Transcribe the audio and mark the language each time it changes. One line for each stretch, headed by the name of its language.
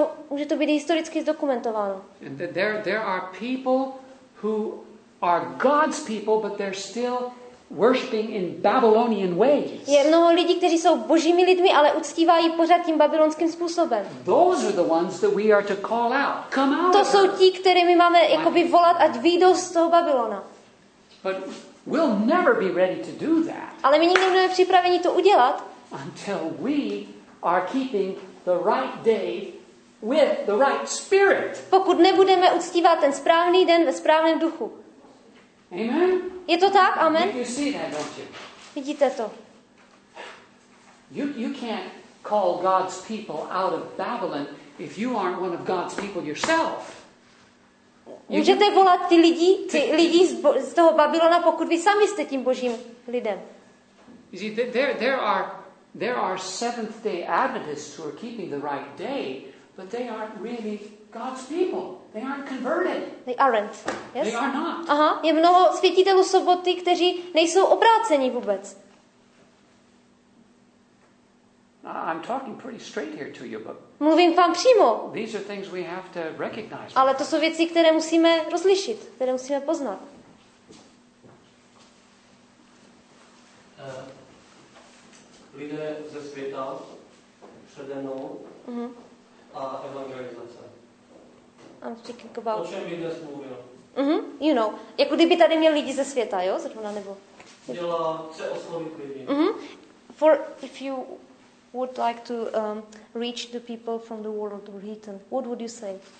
Czech: Může to být historicky zdokumentováno.
English: And there are people who are God's people, but they're still worshiping in Babylonian ways.
Czech: Je mnoho lidí, kteří jsou božími lidmi, ale uctívají pořád tím babylonským způsobem.
English: Those are the ones that we are to call out. Come out.
Czech: To jsou ti, které my máme jakoby volat, ať vyjdou z toho Babylona.
English: But we'll never be ready to do that.
Czech: Ale my nikdy nebudeme připraveni to udělat.
English: Until we are keeping the right day with the right spirit.
Czech: Pokud nebudeme uctívat ten správný den ve správném duchu.
English: Amen.
Czech: Je to tak, amen.
English: You see that, don't you?
Czech: Vidíte to.
English: You can't call God's people out of Babylon if you aren't one of God's people yourself.
Czech: Můžete volat ty lidi z toho Babylona, pokud vy sami jste tím božím lidem.
English: You see, there are Seventh Day Adventists who are keeping the right day, but they aren't really God's people. They aren't converted. They aren't. Yes. They are not.
Czech: Aha, je mnoho světitelů soboty, kteří nejsou obráceni vůbec.
English: I'm talking pretty straight here to you, but
Czech: mluvím vám přímo.
English: These are things we have to recognize.
Czech: Ale to jsou věci, které musíme rozlišit, které musíme poznat. Lidé ze světa přede mnou a evangelizace.
English: I'm speaking about.
Czech: O čem jde smluvil?
English: Mhm, you know.
Czech: Jako kdyby tady měl lidi ze světa, jo? Zrovna nebo. Dělá, chce oslovit lidi. Mhm.
English: For if you would like to reach the people from the world of written, what would you say?